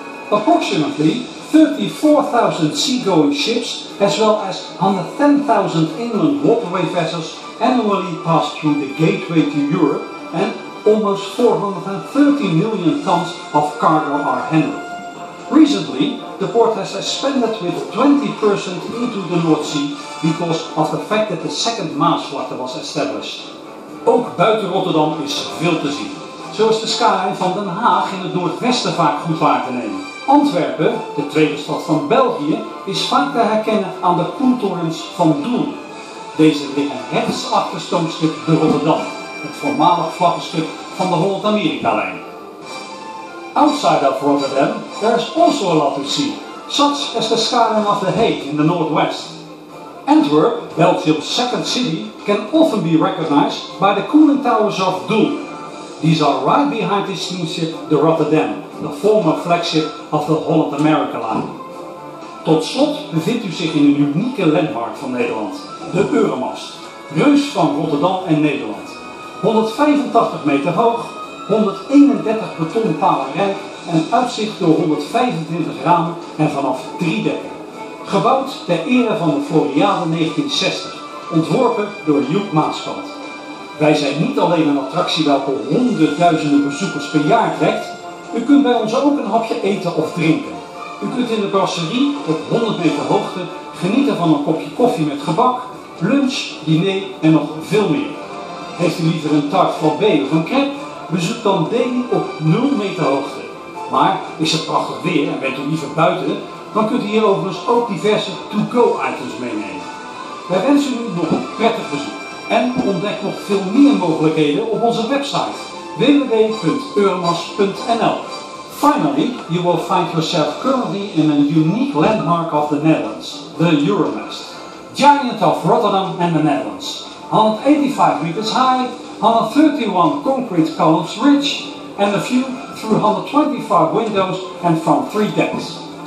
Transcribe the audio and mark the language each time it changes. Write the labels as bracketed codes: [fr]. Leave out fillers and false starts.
[en] Approximately 34,000 seagoing ships as well as 110,000 inland waterway vessels annually pass through the gateway to Europe and almost 430 million tons of cargo are handled. Recently, the port has expanded with 20% into the North Sea because of the fact that the second Maasvlakte was established. [nl] Ook buiten Rotterdam is veel te zien. Zo is de skyline van Den Haag in het noordwesten vaak goed waar te nemen. Antwerpen, de tweede stad van België, is vaak te herkennen aan de koentorens van Doel. Deze liggen rechts achter stoomschip de Rotterdam, het voormalig vlaggenschip van de Holland-Amerika-lijn. [en] Outside of Rotterdam, there is also a lot to see, such as the skyline of the Hague in the northwest. Antwerp, Belgium's second city, can often be recognized by the cooling towers of Doel. These are right behind the steamship the Rotterdam, the former flagship of the Holland-America Line. [nl] Tot slot bevindt u zich in een unieke landmark van Nederland, de Euromast, reus van Rotterdam en Nederland. 185 meter hoog, 131 betonnen palen rijk en uitzicht door 125 ramen en vanaf 3 dekken. Gebouwd ter ere van de Floriade 1960, ontworpen door Joep Maaskant. Wij zijn niet alleen een attractie welke honderdduizenden bezoekers per jaar trekt, u kunt bij ons ook een hapje eten of drinken. U kunt in de brasserie op 100 meter hoogte genieten van een kopje koffie met gebak, lunch, diner en nog veel meer. Heeft u liever een tart van B of een crêpe? Bezoek dan daily op 0 meter hoogte. Maar is het prachtig weer en bent u liever buiten, dan kunt u hier overigens ook diverse to-go items meenemen. Wij wensen u nog een prettig bezoek en ontdek nog veel meer mogelijkheden op onze website www.euromast.nl. [en] Finally, you will find yourself currently in a unique landmark of the Netherlands, the Euromast. Giant of Rotterdam and the Netherlands. 185 meters high, 131 concrete columns rich, and a few through 125 windows and from three decks.